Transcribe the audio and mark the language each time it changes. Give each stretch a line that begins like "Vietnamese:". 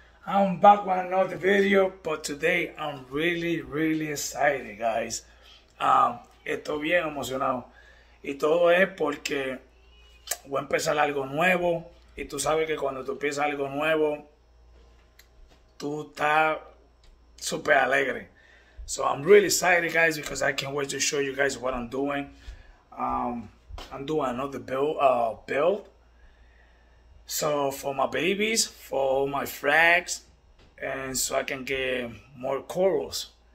English: I'm back with another video, but today I'm really excited, guys.
Spanish: Estoy bien emocionado. Y todo es porque voy a empezar algo nuevo. Y tú sabes que cuando tú empiezas algo nuevo, tú estás súper alegre.
English: So I'm really excited, guys, because I can't wait to show you guys what I'm doing. I'm doing another build. So for my babies, for all my frags, and so I can get more corals.